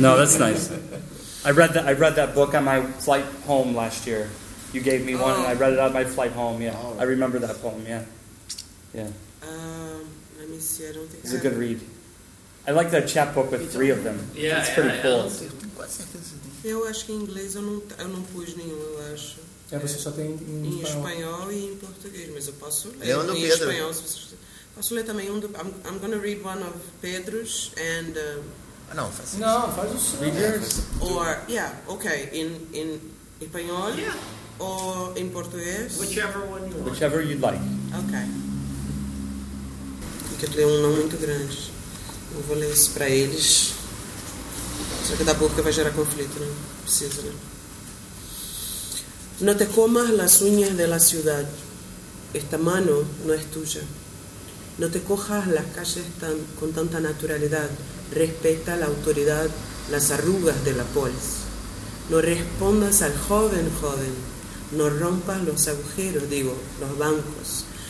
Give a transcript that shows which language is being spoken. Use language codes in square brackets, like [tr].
[en] No, that's nice. I read that book on my flight home last year. You gave me one, and I read it on my flight home. Yeah, I remember that poem. Yeah, yeah. Let me see. I don't think it's a good read. I like that chapbook with three of them. Yeah, it's pretty cool. Yeah. [pt] Eu acho que em inglês eu não pus nenhum, eu acho. É, você só tem em espanhol e em português, mas eu posso ler em Pedro. Espanhol. Posso ler também um do... [en] I'm going to read one of Pedro's and... [pt] Faz o seu. [en] Readers. Or, yeah, okay, in espanhol or in português. Whichever one you want. Whichever you'd like. Okay. [pt] Tem que ler um não muito grande. Eu vou ler isso para eles. Só que da boca vai gerar conflito, né? Precisa, né? [es] No te comas las uñas de la ciudad. Esta mano no es tuya. No te cojas las calles con tanta naturalidad. Respeta la autoridad, las arrugas de la polis. No respondas al joven. No rompas los agujeros, digo, los bancos.